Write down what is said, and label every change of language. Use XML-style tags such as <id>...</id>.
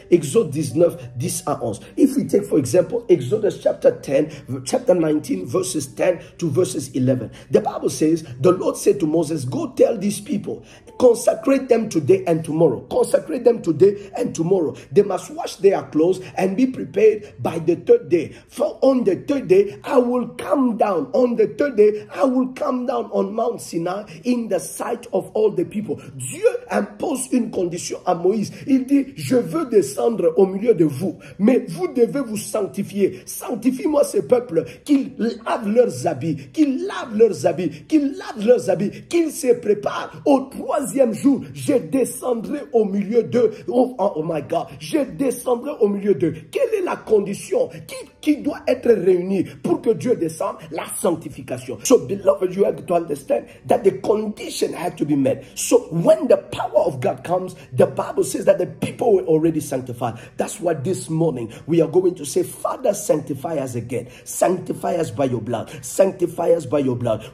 <fr>Exode 19, 10 à 11.</fr> <en>If we take for example Exodus chapter 19, verses 10 to verses 11, the Bible says, the Lord said to Moses, go tell these people, consecrate them today and tomorrow. Consecrate them today and tomorrow. They must wash their clothes and be prepared by the third day. For on the third day, I will come down. On the third day, I will come down on Mount Sinai in the sight of all the people.</en> <fr>Dieu impose une condition à Moïse. Il dit, je veux descendre au milieu de vous, mais vous devez vous sanctifier. Sanctifie-moi ce peuple, qu'ils lavent leurs habits, qu'ils se préparent au troisième jour. Je descendrai au milieu d'eux.</fr> <en>Oh my God.</en> <fr>Je descendrai au milieu d'eux. Quelle est la condition? Qui doit être réuni pour que Dieu descende? La sanctification.</fr> <en>So, beloved, you have to understand that the condition had to be met. So, when the power of God comes, the Bible says that the people were already sanctified. That's why this morning we are going to say, Father, sanctify us again. Sanctify us by your blood. Sanctify us by your blood.</en>